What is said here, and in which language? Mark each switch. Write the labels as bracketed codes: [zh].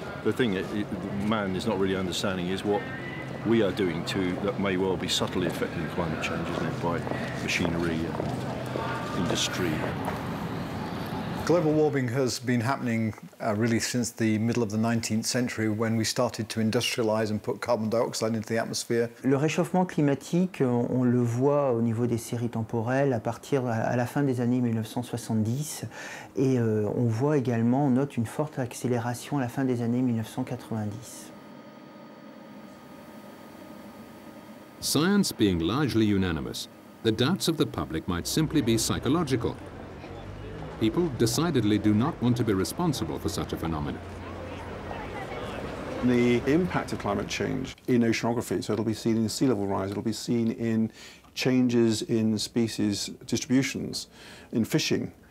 [en] The thing man is not really understanding is what we are doing too, that may well be subtly affecting climate change, isn't it, by machinery and industry. Global warming has been happening really since the middle of the 19th century, when we started to industrialize and put carbon dioxide into the atmosphere. [fr] Le réchauffement climatique, on le voit au niveau des séries temporelles à partir à la fin des années 1970, et on voit également, on note une forte accélération à la fin des années 1990. [en] Science being largely unanimous, the doubts of the public might simply be psychological. People decidedly do not want to be responsible for such a phenomenon. The impact of climate change in oceanography, so it'll be seen in sea level rise, it'll be seen in changes in species distributions, in fishing.